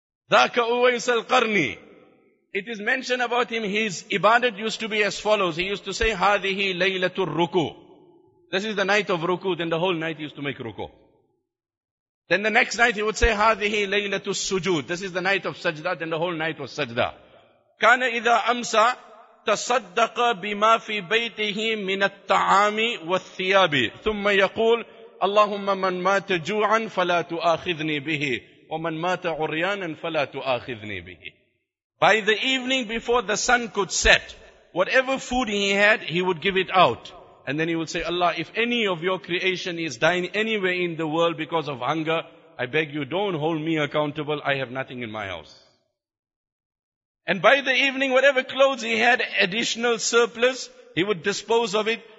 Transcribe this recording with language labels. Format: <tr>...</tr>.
<en>Dhaka Uwais al-Qarni. It is mentioned about him, his ibadat used to be as follows. He used to say,</en> <ar>Hadihi Laylatul Ruku.</ar> <en>This is the night of Ruku, then the whole night he used to make Ruku. Then the next night he would say,</en> <ar>Hadihi Laylatul Sujood.</ar> <en>This is the night of Sajda, then the whole night was Sajda.</en> <ar>Kana idha amsa, تصدق بما في بيته من الطعام والثياب ثم يقول اللهم من مات جوعا فلا تؤاخذني به ومن مات عريانا فلا تؤاخذني به.</ar> <en>By the evening before the sun could set, whatever food he had, he would give it out. And then he would say, Allah, if any of your creation is dying anywhere in the world because of hunger, I beg you, don't hold me accountable. I have nothing in my house. And by the evening, whatever clothes he had, additional surplus, he would dispose of it.</en>